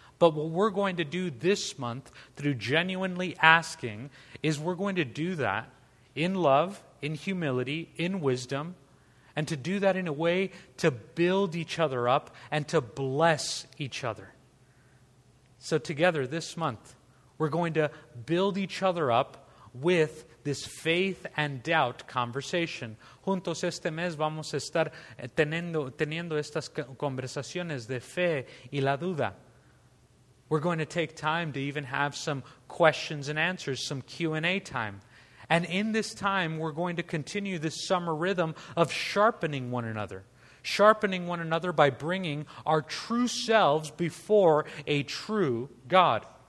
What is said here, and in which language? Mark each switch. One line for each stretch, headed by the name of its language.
English: But what we're going to do this month through genuinely asking is we're going to do that in love, in humility, in wisdom, and to do that in a way to build each other up and to bless each other. So together this month, we're going to build each other up with this faith and doubt conversation.
Spanish: Juntos este mes vamos a estar teniendo estas conversaciones de fe y la duda.
English: We're going to take time to even have some questions and answers, some Q&A time. And in this time, we're going to continue this summer rhythm of sharpening one another. Sharpening one another by bringing our true selves before a true God.